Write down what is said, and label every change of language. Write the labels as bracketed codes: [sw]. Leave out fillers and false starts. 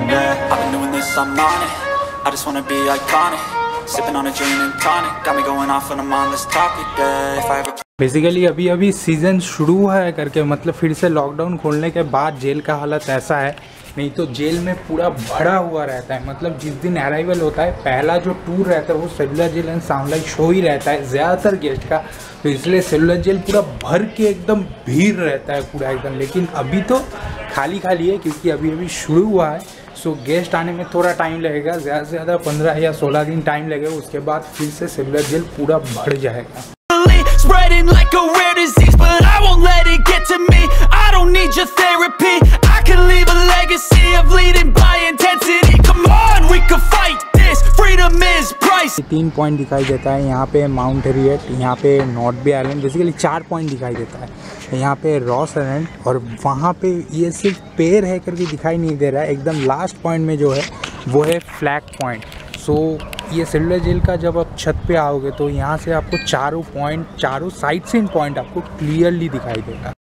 [en] I'm on it, I just wanna be iconic. Sipping on a gin and tonic, got me going off on a mindless topic, yeah. If I ever... [hi] basically अभी अभी season शुरू हुआ है करके, मतलब फिर से lockdown खोलने के बाद जेल का हालत ऐसा है, नहीं तो जेल में पूरा भरा हुआ रहता है। मतलब जिस दिन अराइवल होता है पहला जो टूर रहता है वो cellular jail and sound light show ही रहता है ज़्यादातर गेस्ट का, तो इसलिए सेलुलर जेल पूरा भर के एकदम भीड़ रहता है पूरा एकदम। लेकिन अभी तो खाली खाली है क्योंकि अभी अभी शुरू हुआ है, सो गेस्ट आने में थोड़ा टाइम लगेगा, ज़्यादा से ज़्यादा 15 या 16 दिन टाइम लगेगा, उसके बाद फिर से सेलुलर जेल पूरा भर जाएगा। [en] Spreading like a rare disease, but I won't let it get to me. I don't need your therapy. I can leave a legacy of leading by intensity. Come on, we can fight this. Freedom is price. [hi] 3 point दिखाई देता है यहाँ पे, mount Harriet, यहाँ पे north बे island, basically 4 point दिखाई देता है यहाँ पे, रॉस आइलैंड और वहाँ पे, ये सिर्फ पेर है करके दिखाई नहीं दे रहा है। एकदम लास्ट पॉइंट में जो है वो है फ्लैग पॉइंट। सो ये सेलुलर जेल का जब आप छत पे आओगे तो यहाँ से आपको चारों पॉइंट, चारों साइड से इन पॉइंट आपको क्लियरली दिखाई देगा।